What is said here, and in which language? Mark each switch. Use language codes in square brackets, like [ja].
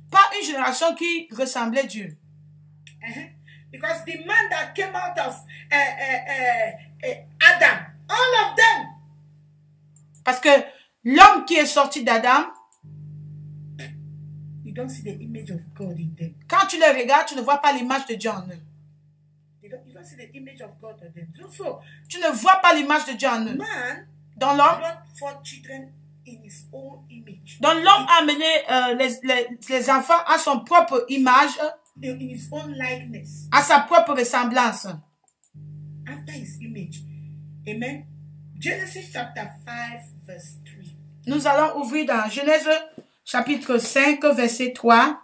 [fr] Pas une génération qui ressemblait Dieu. [en] Because the man that came out of Adam, all of them. [fr] Parce que l'homme qui est sorti d'Adam. [en] You don't see the image of God in them. [fr] Quand tu les regardes, tu ne vois pas l'image de Dieu en eux. [en] You don't see the image of God in them. So, [fr] tu ne vois pas l'image de Dieu en eux. [en] Man, [fr] dans l'homme, [en] for children in his own image. [fr] Dans l'homme a amené les enfants à son propre image, [en] in his own likeness, [fr] à sa propre ressemblance. [en] After his image, amen. Genesis chapter 5 verse 3. [fr] Nous allons ouvrir dans Genèse. Chapitre 5, verset 3.